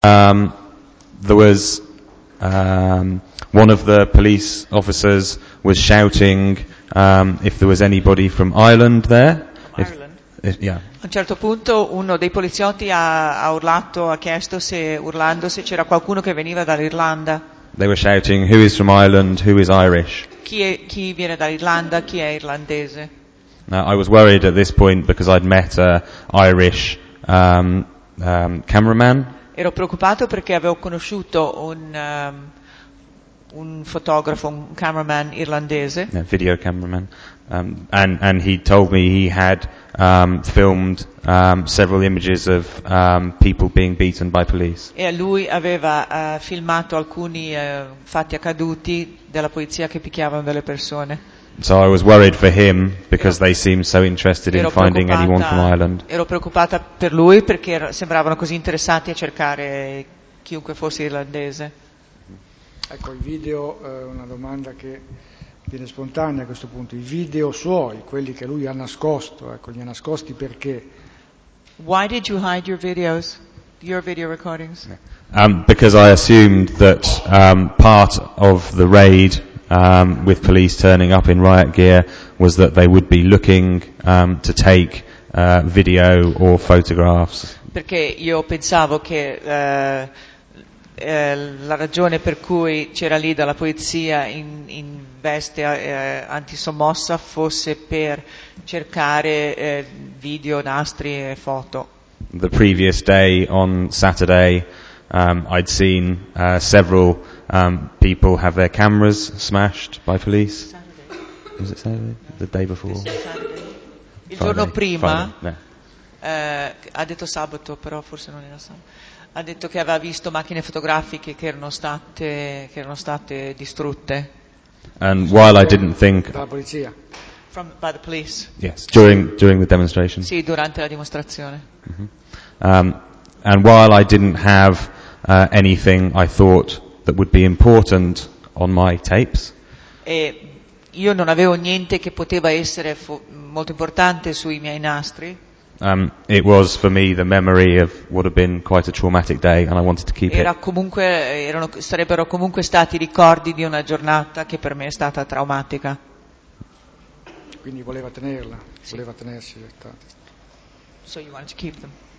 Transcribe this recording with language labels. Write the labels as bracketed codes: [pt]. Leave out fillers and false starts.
[en] There was one of the police officers was shouting if there was anybody from Ireland there. [it] A un certo punto uno dei poliziotti ha urlato, ha chiesto se urlando se c'era qualcuno che veniva dall'Irlanda. [en] They were shouting, "Who is from Ireland? Who is Irish?" [it] Chi viene dall'Irlanda? Chi è irlandese? [en] Now, I was worried at this point because I'd met an Irish cameraman. [it] Ero preoccupato perché avevo conosciuto un fotografo, un cameraman irlandese. [en] A video cameraman. And he told me he had filmed several images of people being beaten by police. [it] E lui aveva filmato alcuni fatti accaduti della polizia che picchiavano delle persone. [en] So I was worried for him because they seemed so interested in finding anyone from Ireland. [it] Ero preoccupata per lui perché sembravano così interessati a cercare chiunque fosse irlandese. Ecco, il video è una domanda che viene spontanea a questo punto. I video suoi, quelli che lui ha nascosto, ecco, li ha nascosti perché? [en] Why did you hide your videos, your video recordings? Because I assumed that part of the raid with police turning up in riot gear was that they would be looking to take video or photographs. [it] Perché io pensavo che la ragione per cui c'era lì dalla polizia in veste antisommossa fosse per cercare video, nastri e foto. [en] The previous day on Saturday I'd seen several people have their cameras smashed by police. Saturday. Was it Saturday? The day before? [it] Il giorno prima. Ha detto sabato, però forse non era sabato. Ha detto che aveva visto macchine fotografiche che erano state distrutte. [en] And while I didn't think [it] dalla polizia. [en] By the police. Yes, during the demonstration. [it] Sì, durante la dimostrazione. [en] And while I didn't have anything I thought that would be important on my tapes. [it] E io non avevo niente che poteva essere molto importante sui miei nastri. [en] It was for me the memory of what had been quite a traumatic day, and I wanted to keep it. [it] Sarebbero comunque stati ricordi di una giornata che per me è stata traumatica. Quindi voleva tenerla, sì. Voleva tenersi. [en] So you wanted to keep them.